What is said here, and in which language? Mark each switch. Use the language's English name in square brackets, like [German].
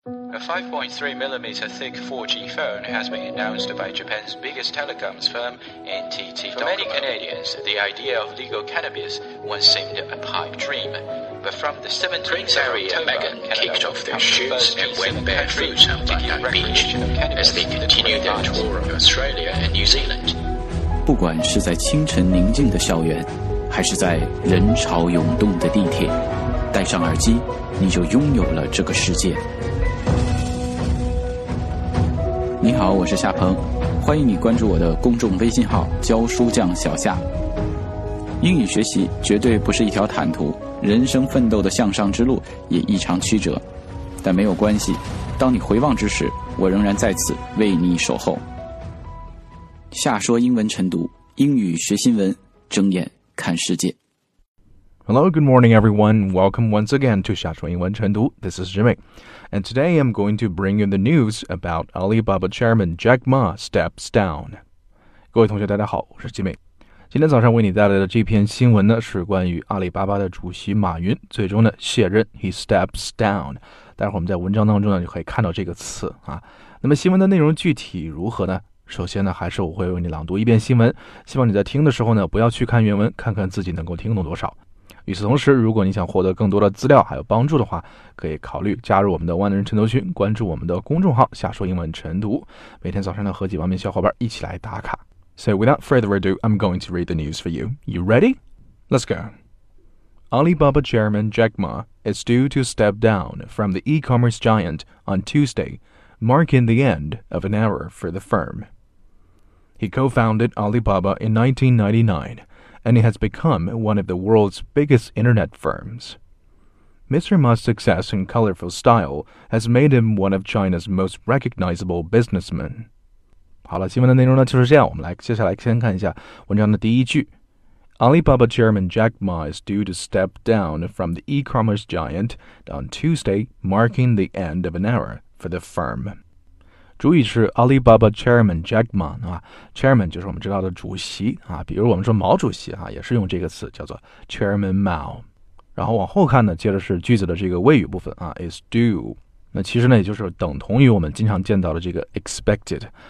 [English] A 5.3mm thick 4G phone has been announced by Japan's biggest telecoms firm, NTT Docomo. For many Canadians, the idea of legal cannabis once seemed a pipe dream. But from the 17th of October, Megan kicked off their shoots and went barefoot on Bundang Beach as they continued their tour of Australia and New Zealand. [Chinese] 不管是在清晨宁静的校园，还是在人潮涌动的地铁，戴上耳机，你就拥有了这个世界。你好，我是夏鹏，欢迎你关注我的公众微信号教书匠小夏。英语学习绝对不是一条坦途，人生奋斗的向上之路也异常曲折，但没有关系，当你回望之时，我仍然在此为你守候。夏说英文晨读，英语学新闻，睁眼看世界。 [English] Hello, good morning, everyone. Welcome once again to 夏说英文晨读. This is Jimmy. And today I'm going to bring you the news about Alibaba chairman Jack Ma steps down. [Chinese] 各位同学大家好，我是 Jimmy。今天早上为你带来的这篇新闻呢，是关于阿里巴巴的主席马云最终呢卸任， [English] he steps down。 [Chinese] 待会儿我们在文章当中呢就可以看到这个词啊。那么新闻的内容具体如何呢？首先呢，还是我会为你朗读一遍新闻，希望你在听的时候呢不要去看原文，看看自己能够听懂多少。与此同时，如果你想获得更多的资料还有帮助的话，可以考虑加入我们的万人晨读群，关注我们的公众号夏说英文晨读，每天早上呢和几万名小伙伴一起来打卡。 [English] So without further ado, I'm going to read the news for you. You ready? Let's go. Alibaba chairman Jack Ma is due to step down from the e-commerce giant on Tuesday, marking the end of an era for the firm. He co-founded Alibaba in 1999,and he has become one of the world's biggest internet firms. Mr. Ma's success and colorful style has made him one of China's most recognizable businessmen. [Chinese] 好了，新闻的内容呢就是这样，我们来接下来先看一下文章的第一句。 [English] Alibaba chairman Jack Ma is due to step down from the e-commerce giant on Tuesday, marking the end of an era for the firm. [Chinese] 主语是 Alibaba Chairman Jack Ma, Chairman 就是我们知道的主席、啊、比如我们说毛主席、啊、也是用这个词叫做 Chairman Mao。然后往后看呢，接着是句子的这个谓语部分、啊、is due, 那其实呢也就是等同于我们经常见到的这个 expected。